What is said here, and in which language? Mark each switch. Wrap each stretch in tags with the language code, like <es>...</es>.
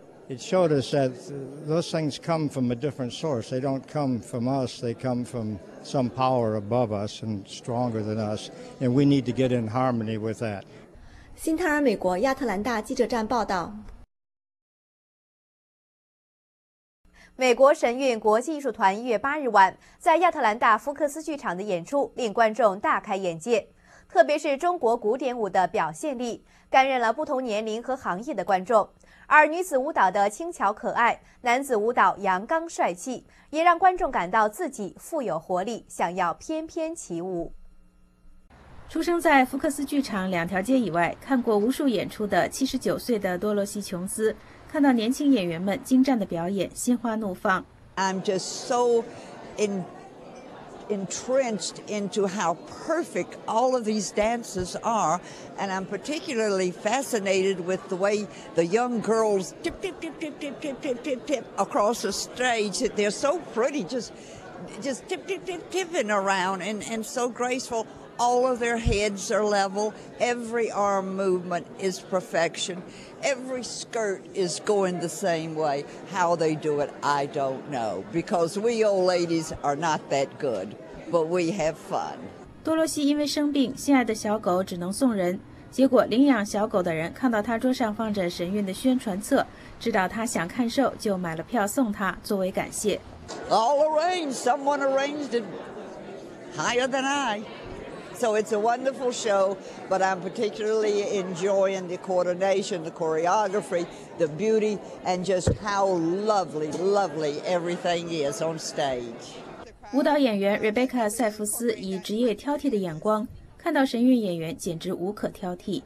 <en>It showed us that those things come from a different source. They don't come from us. They come from some power above us and stronger than us. And we need to get in harmony with that.</en> <zh>新唐人美国亚特兰大记者站报道。美国神韵国际艺术团1月8日晚在亚特兰大福克斯剧场的演出令观众大开眼界，特别是中国古典舞的表现力感染了不同年龄和行业的观众，而女子舞蹈的轻巧可爱，男子舞蹈阳刚帅气，也让观众感到自己富有活力，想要翩翩起舞。出生在福克斯剧场两条街以外，看过无数演出的79岁的多罗西·琼斯看到年轻演员们精湛的表演，心花怒放。</zh> <en>I'm just so entrenched into how perfect all of these dances are, and I'm particularly fascinated with the way the young girls tip tip tip tip tip tip tip tip tip across the stage. They're so pretty, just tip tip tip tipping around and so graceful. All of their heads are level. Every arm movement is perfection. Every skirt is going the same way. How they do it, I don't know. Because we old ladies are not that good, but we have fun.</en> <zh>多罗西因为生病，心爱的小狗只能送人。结果领养小狗的人看到他桌上放着神韵的宣传册，知道他想看秀，就买了票送他作为感谢。</zh> <en>All arranged. Someone arranged it higher than I. So it's a wonderful show, but I'm particularly enjoying the coordination, the choreography, the beauty, and just how lovely, lovely everything is on stage.</en> <zh>舞蹈演员 Rebecca 塞弗斯以职业挑剔的眼光看到神韵演员简直无可挑剔。</zh>